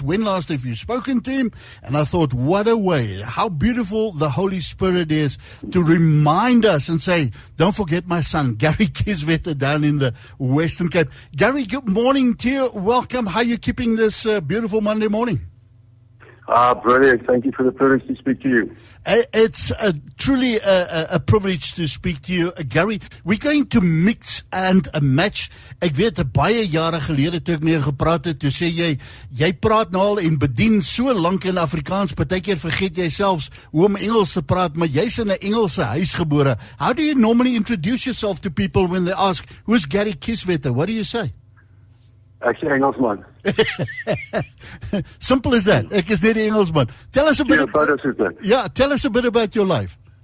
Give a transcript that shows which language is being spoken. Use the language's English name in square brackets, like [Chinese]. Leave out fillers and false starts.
[English] When last have you spoken to him? And I thought, what a way, how beautiful the Holy Spirit is to remind us and say, don't forget my son, Gary Kieswetter, down in the Western Cape. Gary, good morning to you. Welcome. How are you keeping this beautiful Monday morning? Brilliant. Thank you for the privilege to speak to you. It's truly a privilege to speak to you, Gary. We're going to mix and match. [Afrikaans] Ek weet, baie jare gelede toe ek mee gepraat het, toe sê jy praat nou al en bedien so lank in Afrikaans, partykeer vergeet jy selfs hoe om Engels te praat, maar jy's in 'n Engelse huis gebore. [English] How do you normally introduce yourself to people when they ask, who's Gary Kieswetter? What do you say? Actually, Engelsman. Simple as that. [Afrikaans] Ek is net die Engelsman. [English] Tell us a bit. Tell us a bit about your life.